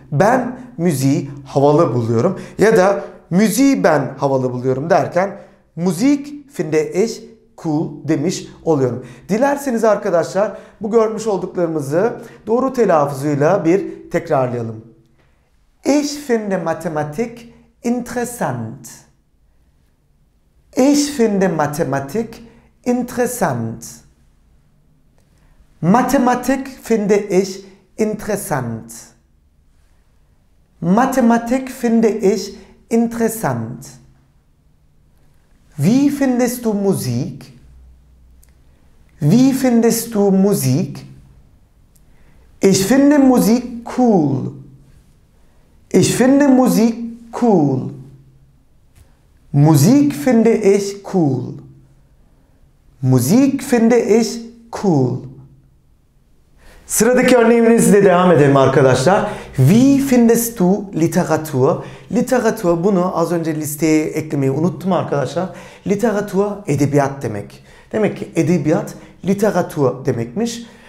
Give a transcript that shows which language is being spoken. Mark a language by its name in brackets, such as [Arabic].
[Turkish] Ben müziği havalı buluyorum. Ya da müziği ben havalı buluyorum derken [German] Musik finde ich cool [Turkish] demiş oluyorum. Dilerseniz arkadaşlar bu görmüş olduklarımızı doğru telaffuzuyla bir tekrarlayalım. [German] Ich finde Mathematik interessant. Ich finde Mathematik interessant. Mathematik finde ich interessant. Mathematik finde ich interessant. Wie findest du Musik? Wie findest du Musik? Ich finde Musik cool. Ich finde Musik cool. Musik finde ich cool. Musik finde ich cool. [Turkish] Sıradaki örneğimizle devam edelim arkadaşlar. [German] Wie findest du Literatur? [Turkish] Literatur bunu az önce listeye eklemeyi unuttum arkadaşlar. Literatur edebiyat demek. Demek ki edebiyat literatur demekmiş.